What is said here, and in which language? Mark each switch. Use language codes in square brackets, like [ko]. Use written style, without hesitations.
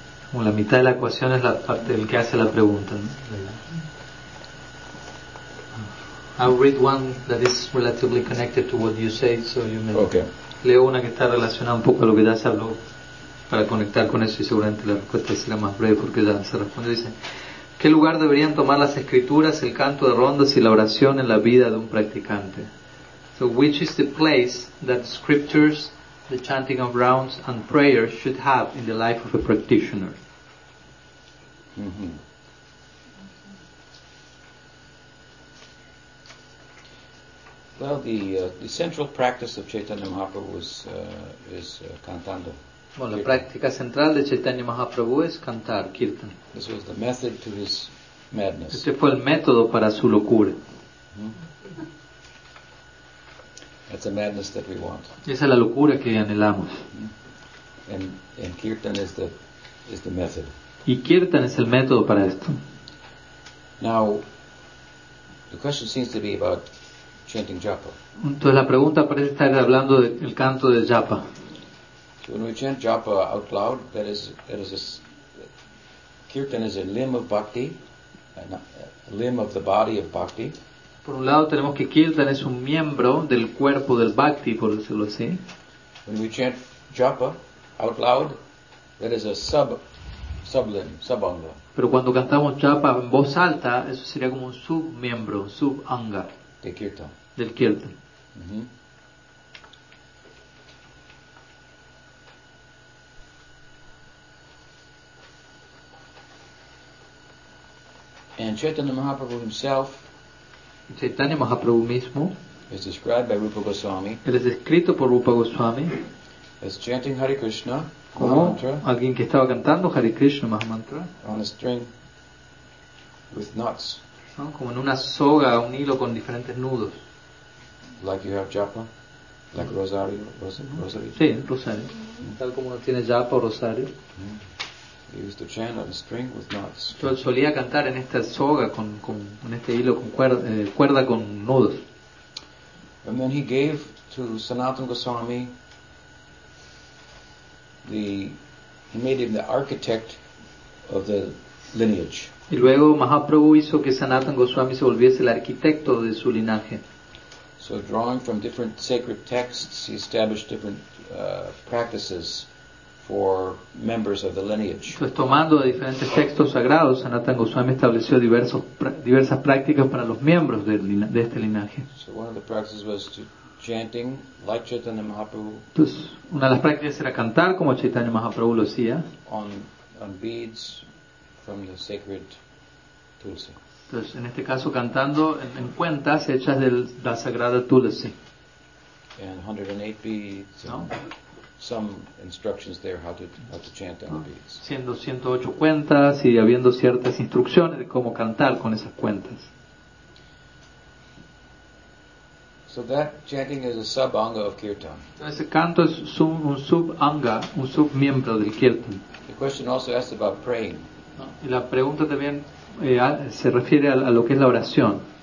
[es] Como la mitad de la ecuación es la parte del que hace la pregunta, ¿no? [en] I'll read one that is relatively connected to what you say, so you may. Okay. [es] Leo una que está relacionada un poco a lo que Das habló para conectar con eso y seguramente la respuesta será más breve porque ya se responde. Dice, ¿qué lugar deberían tomar las escrituras, el canto de rondas y la oración en la vida de un practicante? [en] So which is the place that scriptures, the chanting of rounds and prayer should have in the life of a practitioner? Well, the central practice of Chaitanya Mahaprabhu is cantando. [es] Bueno, la práctica central de Chaitanya Mahaprabhu es cantar, kirtan. [en] This was the method to his madness. [es] Este fue el método para su locura. [en] That's the madness that we want. [es] Esa es la locura que anhelamos. [en] And kirtan is the method. [es] Y kirtan es el método para esto. [en] Now, the question seems to be about chanting japa. [es] Entonces la pregunta parece estar hablando del canto de japa. [en] When we chant japa out loud, that is a kirtan is a limb of bhakti, a limb of the body of bhakti. [es] Por un lado tenemos que kirtan es un miembro del cuerpo del bhakti, por decirlo así. [en] When we chant japa out loud, that is a sublimb, subanga. [es] Pero cuando cantamos japa en voz alta, eso sería como un submiembro, subanga. De kirtan. Del kirtan. [en] And Chaitanya Mahaprabhu himself, [es] Chaitanya Mahaprabhu mismo, [en] is described by Rupa Goswami. [es] Él es descrito por Rupa Goswami. [en] As chanting Hare Krishna, [es] como mantra, alguien que estaba cantando Hare Krishna Maha Mantra. [en] On a string with knots. [es] ¿No? Como en una soga, un hilo con diferentes nudos. [en] Like you have japa, like rosario. [es] Sí, rosario. Mm-hmm. Tal como uno tiene japa o rosario. [en] He used to chant on a string with knots. [es] Yo solía cantar en esta soga con este hilo con cuerda con nudos. [en] And then he gave to Sanatana Goswami he made him the architect of the lineage. [es] Y luego Mahaprabhu hizo que Sanatana Goswami se volviese el arquitecto de su linaje. [en] So drawing from different sacred texts, he established different practices for members of the lineage. [es] Pues tomando de diferentes textos sagrados, Sanatana Goswami estableció diversas prácticas para los miembros de este linaje. [en] So one of the practices was to chanting like Chaitanya Mahaprabhu. [es] Entonces, una de las prácticas era cantar como Chaitanya Mahaprabhu lo hacía. [en] On beads from the sacred tulsi. [es] Entonces, en este caso, cantando en cuentas hechas de la sagrada tulsi. [en] And 108 beads. No. Some instructions there how to chant on the beads. [es] Siendo 108 cuentas y habiendo ciertas instrucciones de cómo cantar con esas cuentas. [en] So that chanting is a subanga of kirtan. [es] Entonces ese canto es un subanga, un submiembro del kirtan. [en] The question also asks about praying. [es] Y la pregunta también se refiere a lo que es la oración.